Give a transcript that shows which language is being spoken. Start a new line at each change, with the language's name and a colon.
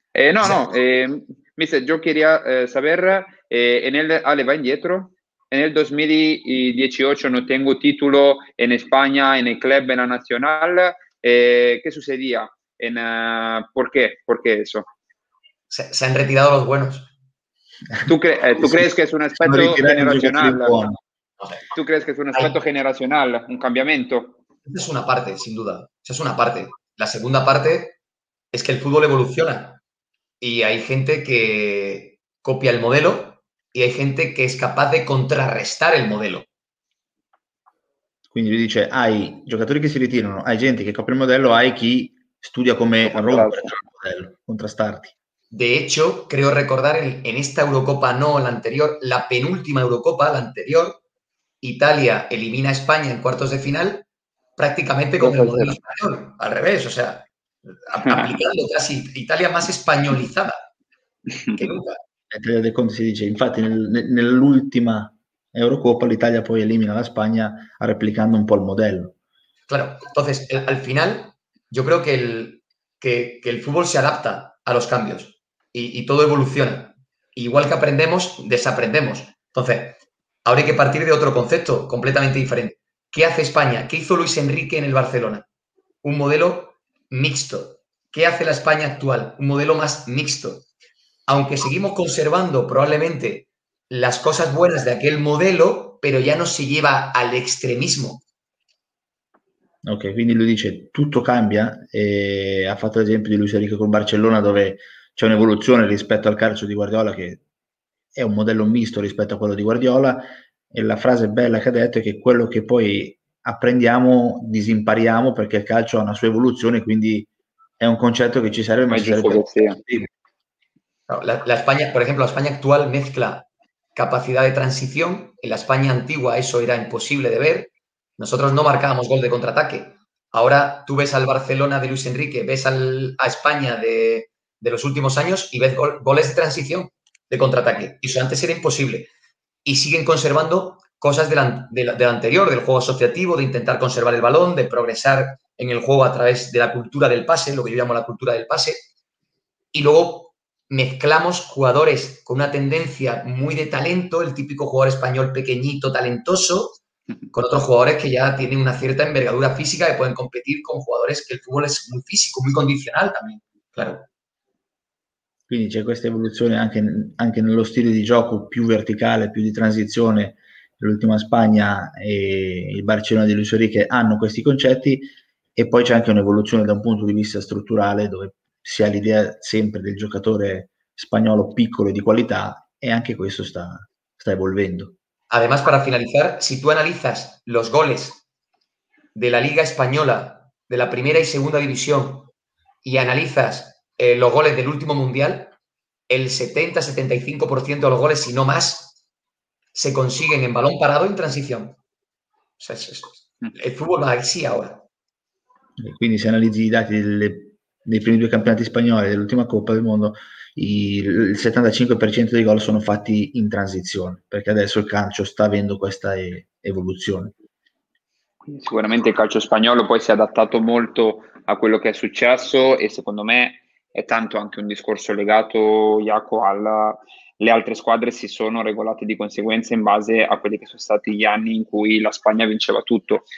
Italian: No, mister, io chiedo
Spanish: a saber,
Italian: le va indietro? E nel 2018 non tengo titolo in Spagna,
Spanish: in el club,
Italian: in la nazionale? Che succedia? Perché? Perché eso?
Spanish: se han retirado los buenos. ¿Tú crees que es un aspecto generacional? ¿Tú crees que es un aspecto generacional, un cambiamiento? Esa es una parte, sin duda. Esa es una parte. La segunda parte es que el fútbol evoluciona. Y hay gente que copia el modelo y hay gente que es capaz de contrarrestar el modelo.
Italian: Quindi dice, hai giocatori che si ritirano, hai gente che copia il modello, hai chi studia come rompere il modello, contrastarti.
Spanish: De hecho, creo recordar en esta Eurocopa, no la anterior, la penúltima Eurocopa, la anterior, Italia elimina a España en cuartos de final prácticamente contra el modelo español, al revés, o sea, aplicando casi Italia más españolizada que nunca.
Italian: De Conte si dice, infatti nell'ultima Eurocopa l'Italia poi elimina la Spagna replicando un po' il modello.
Spanish: Claro, entonces al final yo creo que el fútbol se adapta a los cambios y todo evoluciona. Igual que aprendemos, desaprendemos. Entonces, ahora hay que partir de otro concepto completamente diferente. ¿Qué hace España? ¿Qué hizo Luis Enrique en el Barcelona? Un modelo mixto. ¿Qué hace la España actual? Un modelo más mixto. Aunque seguimos conservando probablemente las cosas buenas de aquel modelo, pero ya no se lleva al extremismo.
Italian: Ok, quindi lui dice tutto cambia, ha fatto l'esempio di Luis Enrique con Barcellona dove c'è un'evoluzione rispetto al calcio di Guardiola che è un modello misto rispetto a quello di Guardiola, e la frase bella che ha detto è che quello che poi apprendiamo disimpariamo perché il calcio ha una sua evoluzione, quindi è un concetto che ci serve. Ma ci serve per... la Spagna, per esempio, la Spagna attuale mezcla capacità di transizione, e la Spagna
Spanish: antigua eso era
Italian: impossibile di vedere.
Spanish: Nosotros no marcábamos gol de contraataque. Ahora tú ves al Barcelona de Luis Enrique, ves a España de los últimos años y ves goles de transición, de contraataque. Y eso antes era imposible. Y siguen conservando cosas de la anterior, del juego asociativo, de intentar conservar el balón, de progresar en el juego a través de la cultura del pase, lo que yo llamo la cultura del pase. Y luego mezclamos jugadores con una tendencia muy de talento, el típico jugador español pequeñito, talentoso, con otros jugadores que ya tienen una cierta envergadura física y pueden competir con jugadores que el fútbol es muy físico, muy condicional también, claro.
Italian: Quindi c'è questa evoluzione anche nello stile di gioco più verticale, più di transizione. L'ultima Spagna e il Barcellona di Luis Enrique hanno questi concetti, e poi c'è anche un'evoluzione da un punto di vista strutturale dove si ha l'idea sempre del giocatore spagnolo piccolo e di qualità, e anche questo sta evolvendo.
Spanish: Además, para finalizar, si tú analizas los goles de la Liga Española, de la Primera y Segunda División, y analizas los goles del último Mundial, el 70-75% de los goles, si no más, se consiguen en balón parado en transición. O sea, el fútbol va así ahora.
Italian: Quindi si analizzi i dati dei primi due campionati spagnoli, dell'ultima Coppa del Mondo, il 75% dei gol sono fatti in transizione, perché adesso il calcio sta avendo questa evoluzione. Sicuramente il calcio spagnolo poi si è adattato molto a quello che è successo, e secondo me è tanto anche un discorso legato, Iaco, alle altre squadre si sono regolate di conseguenza in base a quelli che sono stati gli anni in cui la Spagna vinceva tutto.